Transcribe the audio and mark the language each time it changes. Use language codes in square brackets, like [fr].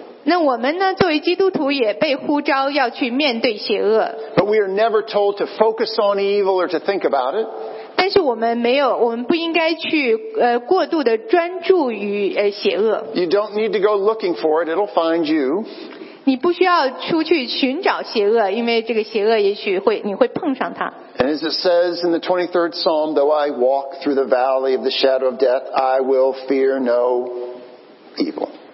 [zh] 那我们呢，作为基督徒也被呼召要去面对邪恶。 [en] But we are never told to focus on evil or to think about it. [zh] 但是我们没有，我们不应该去过度的专注于邪恶。 [en] You don't need to go looking for it; it'll find you. [zh] 你不需要出去寻找邪恶，因为这个邪恶也许会你会碰上它。 [en] And as it says in the 23rd Psalm, though I walk through the valley of the shadow of death, I will fear no evil.